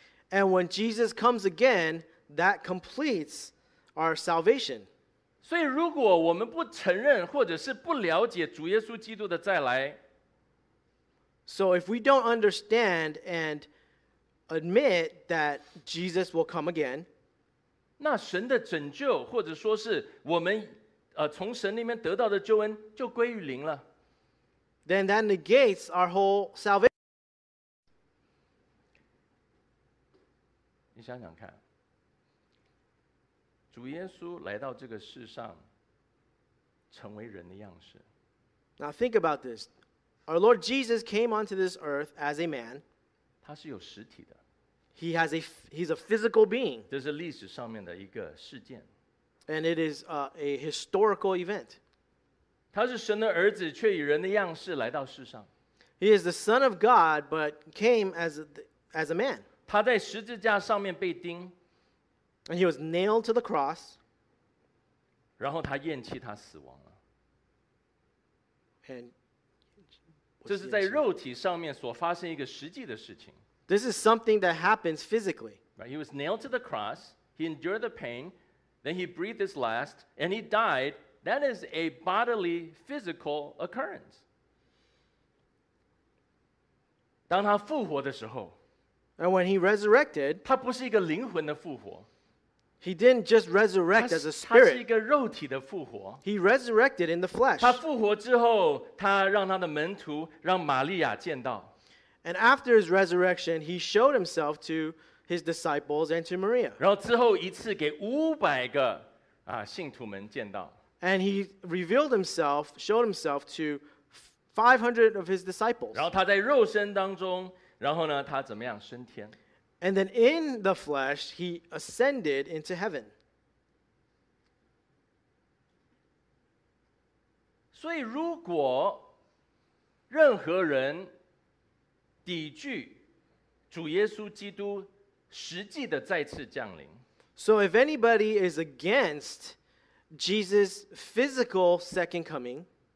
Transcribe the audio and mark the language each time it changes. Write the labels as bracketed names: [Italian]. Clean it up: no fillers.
[English] And when Jesus comes again, that completes our salvation. [Chinese] 所以如果我们不承认或者是不了解主耶稣基督的再来， [English] So if we don't understand and admit that Jesus will come again. [Chinese] 那神的拯救，或者说是我们从神里面得到的救恩，就归于零了。 [English] Then that negates our whole salvation. [Chinese] 你想想看，主耶稣来到这个世上，成为人的样式。 [English] Now think about this. Our Lord Jesus came onto this earth as a man. [Chinese] 他是有实体的。 [English] He's a physical being. [Chinese] 这是历史上面的一个事件。 [English] And it is a historical event. [Chinese] 他是神的儿子，却以人的样式来到世上。 [English] He is the Son of God, but came as a man. [Chinese] 他在十字架上面被钉。 [English] And he was nailed to the cross. [Chinese] 然后他咽气，他死亡了。 [English] And [Chinese] 这是在肉体上面所发生一个实际的事情。 [English] This is something that happens physically. Right, he was nailed to the cross. He endured the pain. Then he breathed his last. And he died. That is a bodily, physical occurrence. [Chinese] 当他复活的时候， [English] And when he resurrected, [Chinese] 他不是一个灵魂的复活。 [English] He didn't just resurrect as a spirit. [Chinese] 他是一个肉体的复活。 [English] He resurrected in the flesh. [Chinese] 他复活之后，他让他的门徒，让玛利亚见到。 [English] And after his resurrection, he showed himself to his disciples and to Maria. [Chinese] 然后之后一次给500个信徒们见到。 [English] And he revealed himself, showed himself to 500 of his disciples. [Chinese] 然后他在肉身当中，然后呢，他怎么样升天？ [English] And then in the flesh, he ascended into heaven. [Chinese] 所以如果任何人抵拒主耶稣基督实际的再次降临。 [English] So if anybody is against Jesus' physical second coming,